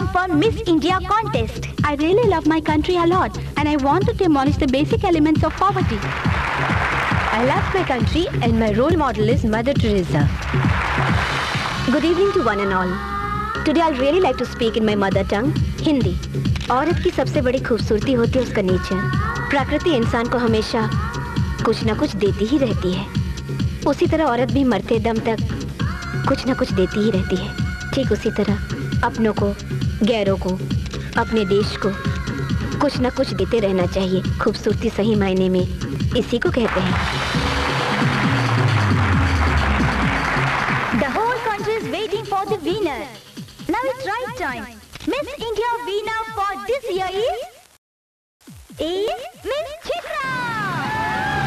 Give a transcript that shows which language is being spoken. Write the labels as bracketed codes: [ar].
[en] Miss India contest. I really love my country a lot and I want to demolish the basic elements of poverty. I love my country and my role model is Mother Teresa. Good evening to one and all. Today I'll really like to speak in my mother tongue, Hindi. [hi] औरत की सबसे बड़ी खूबसूरती होती है उसका nature. प्रकृति इंसान को हमेशा कुछ ना कुछ देती ही रहती है। उसी तरह औरत भी मरते दम तक कुछ ना कुछ देती ही रहती है। ठीक उसी तरह अपनों को, गैरों को, अपने देश को कुछ ना कुछ देते रहना चाहिए। खूबसूरती सही मायने में इसी को कहते हैं। [en] The whole country is waiting for the winner. Now it's right time. Miss India winner for this year is Miss Chitra.